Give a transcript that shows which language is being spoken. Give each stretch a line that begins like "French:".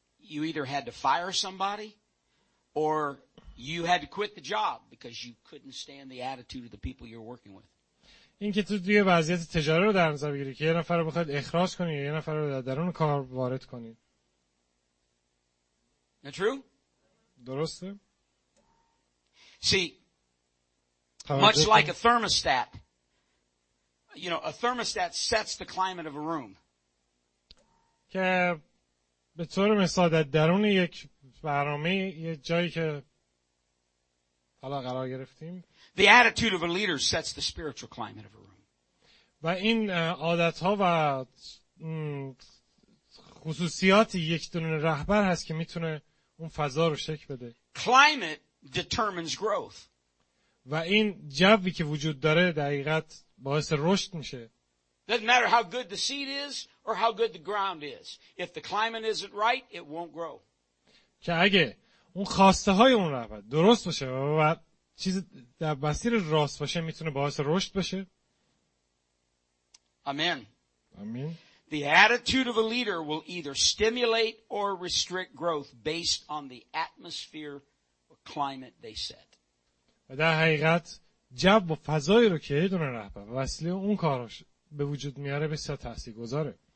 English: you either had to fire somebody or you had to quit the job because you couldn't stand the attitude of the people you're working with.
Persian: این که تو توی وضعیت تجاری رو در نظر بگیری که یه نفر رو بخواد اخراج کنی یا یه نفر رو در درون کار وارد کنی.
English: Not true?
Persian: درسته؟
English: See, much like a thermostat, you know, a thermostat sets the climate of a room.
Persian: که به طور مثال در درون یک برنامه یه جایی که حالا قرار گرفتیم.
English: The attitude of a leader sets the spiritual climate of a room.
Persian: و این عادت‌ها و خصوصیات یک دونه رهبر هست که میتونه اون فضا رو شکل بده.
English: Climate determines growth.
Persian: و این جوی که وجود داره دقیقاً باعث رشد میشه.
English: Doesn't matter how good the seed is or how good the ground is. If the climate isn't right, it won't grow.
Persian: که اگه اون خواسته های اون رهبر درست باشه و چیز در مسیر راست باشه میتونه باعث رشد بشه.
English: Amen. Amen. The attitude of a leader will either stimulate or restrict growth based on the atmosphere or climate they set.
Persian: و در حقیقت جب و فضایی رو که دونه رهبر وسیله اون کارش به وجود میاره بسیار تأثیر گذاره.